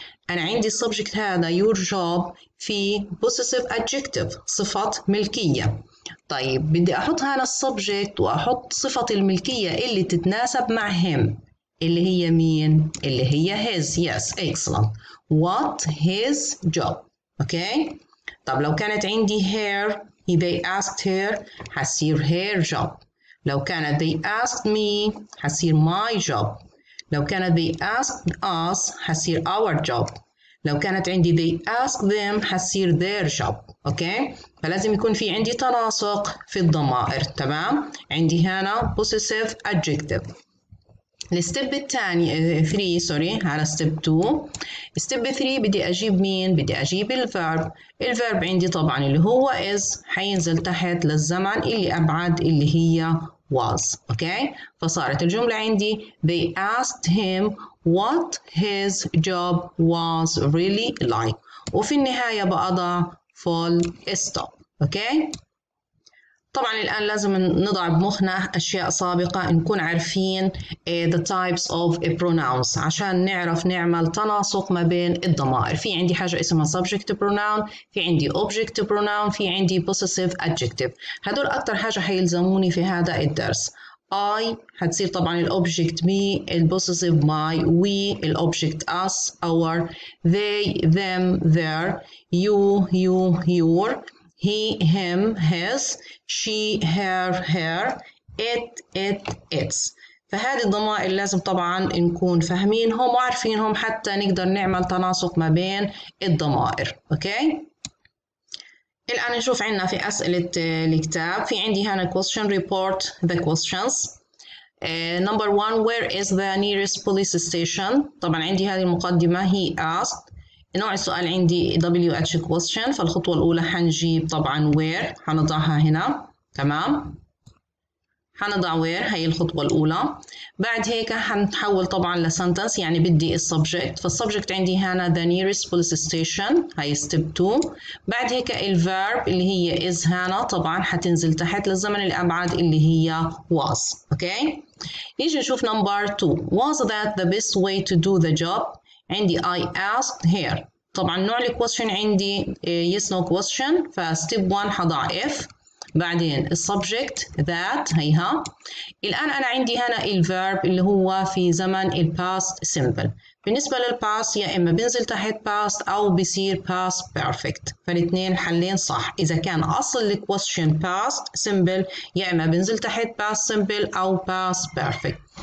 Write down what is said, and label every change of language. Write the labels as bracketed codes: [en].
[ar] أنا عندي السبجكت هذا your job في possessive adjective صفة ملكية. طيب بدي أحط هنا السبجكت وأحط صفة الملكية اللي تتناسب مع him اللي هي مين؟ اللي هي his. [en] yes excellent. what his job. okay. [ar] طب لو كانت عندي her [en] they asked her [ar] هصير her job. لو كانت [en] they asked me [ar] هصير my job. لو كانت [en] they asked us [ar] هصير our job. لو كانت عندي [en] they ask them [ar] هصير their job، أوكي؟ فلازم يكون في عندي تناسق في الضمائر، تمام؟ عندي هنا possessive adjective. الستيب الثاني 3 سوري على ستيب 2. ستيب 3 بدي أجيب مين؟ بدي أجيب الفيرب. الفيرب عندي طبعاً اللي هو is حينزل تحت للزمن اللي أبعد اللي هي was، أوكي؟ فصارت الجملة عندي [en] they asked him what his job was really like، [ar] وفي النهاية بأضع full stop، أوكي؟ طبعا الآن لازم نضع بمخنا أشياء سابقة نكون عارفين [en] the types of pronouns [ar] عشان نعرف نعمل تناسق ما بين الضمائر. في عندي حاجة اسمها subject pronoun، في عندي object pronoun، في عندي possessive adjective. هدول أكتر حاجة هيلزموني في هذا الدرس. I هتصير طبعا الأوبجكت me، البوسيسيف my، we الأوبجكت us our، they them their، you you your، he him his، she her her، it it its. فهذه الضمائر لازم طبعا نكون فاهمينهم وعارفينهم حتى نقدر نعمل تناسق ما بين الضمائر، أوكي؟ الآن نشوف عندنا في أسئلة الكتاب. في عندي هنا [en] question report the questions. number one where is the nearest police station. [ar] طبعا عندي هذه المقدمة [en] he asked. [ar] نوع السؤال عندي WH question، فالخطوة الأولى هنجيب طبعا where، هنضعها هنا، تمام؟ هنضع where، هي الخطوة الأولى. بعد هيك هنتحول طبعا ل sentence يعني بدي السبجكت، فالسبجكت عندي هنا the nearest police station، هي step 2. بعد هيك الverb اللي هي is هنا طبعا هتنزل تحت للزمن الأبعد اللي هي was، أوكي؟ نيجي نشوف number 2 [en] was that the best way to do the job. [ar] عندي [en] I asked her، [ar] طبعا نوع الكويشن عندي yes no question، فstep 1 هضع if، بعدين السبجكت ذات هيها. الآن أنا عندي هنا الفيرب اللي هو في زمن الباست سيمبل. بالنسبة للباست يا إما بنزل تحت باست أو بيصير باست بيرفكت، فالاثنين حلين صح. إذا كان أصل الكويشن باست سيمبل يا إما بنزل تحت باست سيمبل أو باست بيرفكت.